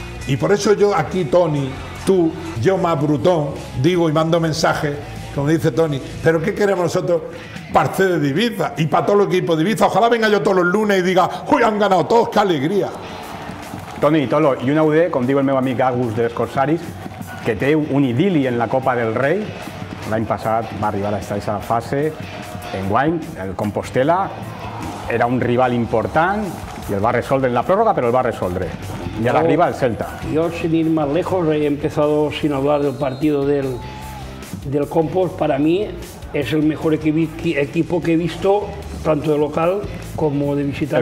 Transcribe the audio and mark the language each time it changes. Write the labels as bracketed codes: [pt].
[es] Y por eso yo aquí, Tony, tú, yo más brutón, digo y mando mensajes. Como dice Tony, pero ¿qué queremos nosotros? Parce de Ibiza y para todo el equipo de Ibiza. Ojalá venga yo todos los lunes y diga, ¡uy, han ganado todos! ¡Qué alegría! Tony y Tolo, y una UD, como digo el meu amigo Agus de Escorsaris, [ca] que te un idili [es] en la Copa del Rey. [ca] L'any passat va arribar a estar esa fase. Enguany, el Compostela, era un rival important i el va resoldre en la pròrroga, però el va resoldre. I ara arriba el Celta. [es] Yo, sin ir más lejos, he empezado sin hablar del partido del... del Compost. Para mí es el mejor equipo que he visto, tanto de local como de visitante,